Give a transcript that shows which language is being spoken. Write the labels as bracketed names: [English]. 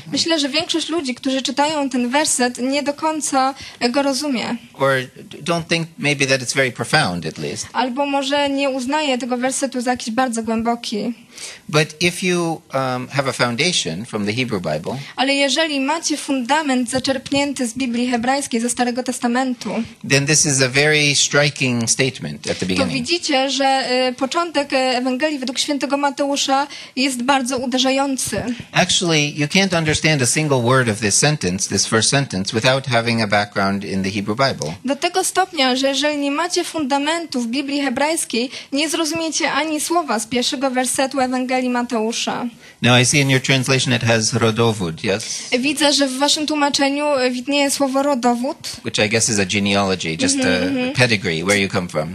[Polish] Myślę, że większość ludzi, którzy czytają ten werset, nie do końca go rozumie. [English] Or don't think maybe that it's very profound at least. [Polish] Albo może nie uznaje tego wersetu za jakiś bardzo głęboki. [English] But if you have a foundation from the Hebrew Bible, [Polish] ale jeżeli macie fundament zaczerpnięty z Biblii Hebrajskiej, ze Starego Testamentu, [English] then this is a very striking statement at the beginning. [Polish] To widzicie, że początek Ewangelii według Świętego Mateusza jest bardzo uderzający. [English] Actually, you can't understand a single word of this sentence, this first sentence, without having a background in the Hebrew Bible. [Polish] Do tego stopnia, że jeżeli nie macie fundamentu w Biblii Hebrajskiej, nie zrozumiecie ani słowa z pierwszego wersetu Ewangelii Mateusza. [English] Now I see in your translation it has rodowód, yes? [Polish] Widzę, że w waszym tłumaczeniu widnieje słowo rodowód. [English] Which I guess is a genealogy, just a pedigree, where you come from.